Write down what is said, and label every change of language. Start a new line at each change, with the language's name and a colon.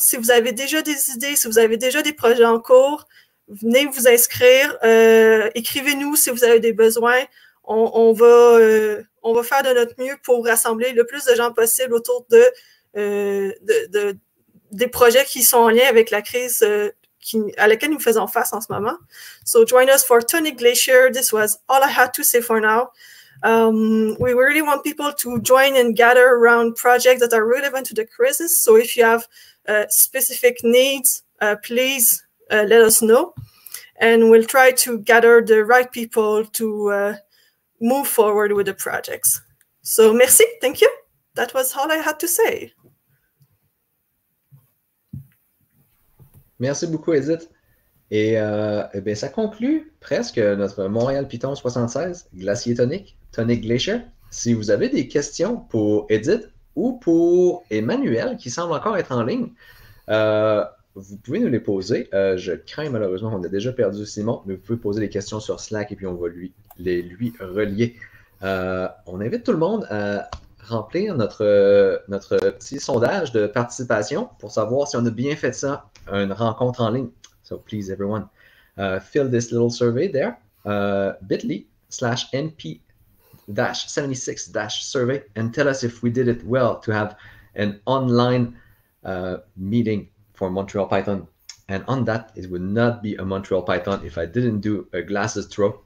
French: Si vous avez déjà des idées, si vous avez déjà des projets en cours, venez vous inscrire, écrivez-nous si vous avez des besoins. On va faire de notre mieux pour rassembler le plus de gens possible autour des projets qui sont en lien avec la crise à laquelle nous faisons face en ce moment.
English: So join us for Tonic Glacier. This was all I had to say for now. We really want people to join and gather around projects that are relevant to the crisis. So if you have specific needs, please let us know. And we'll try to gather the right people to move forward with the projects. So merci, thank you. That was all I had to say.
French: Merci beaucoup, Edith. Et bien, ça conclut presque notre Montréal-Python 76, Glacier Tonique, Tonic Glacier. Si vous avez des questions pour Edith ou pour Emmanuel, qui semble encore être en ligne, vous pouvez nous les poser. Je crains malheureusement qu'on ait déjà perdu Simon, mais vous pouvez poser des questions sur Slack et puis on va les lui relier. On invite tout le monde à remplir notre petit sondage de participation pour savoir si on a bien fait ça, une rencontre en ligne.
English: So please everyone, fill this little survey there, bit.ly/np-76-survey, and tell us if we did it well to have an online meeting for Montreal Python. And on that, it would not be a Montreal Python if I didn't do a glasses throw.